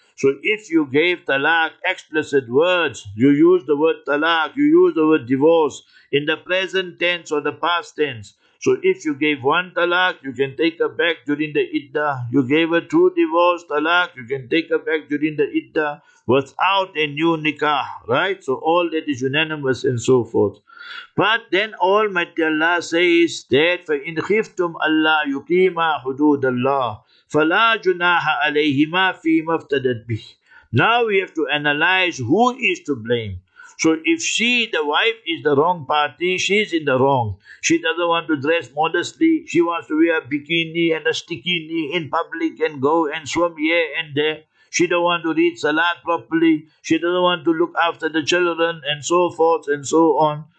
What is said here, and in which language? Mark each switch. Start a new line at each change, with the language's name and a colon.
English: So if you gave talaq explicit words, you use the word talaq, you use the word divorce in the present tense or the past tense. So if you gave one talaq, you can take her back during the iddah. You gave her two divorce talaq, you can take her back during the iddah without a new nikah, right? So all that is unanimous and so forth. But then Almighty Allah says that
Arabic: فَإِنْ خِفْتُمْ أَلَّا يُقِيمَا حُدُودَ اللَّهِ فَلَا جُنَاحَ عَلَيْهِمَا فِي مَفْتَدَتْ بِهِ.
English: Now we have to analyze who is to blame. So if she, the wife, is the wrong party, she's in the wrong. She doesn't want to dress modestly. She wants to wear a bikini and a stickini in public and go and swim here and there. She don't want to read salat properly. She doesn't want to look after the children and so forth and so on.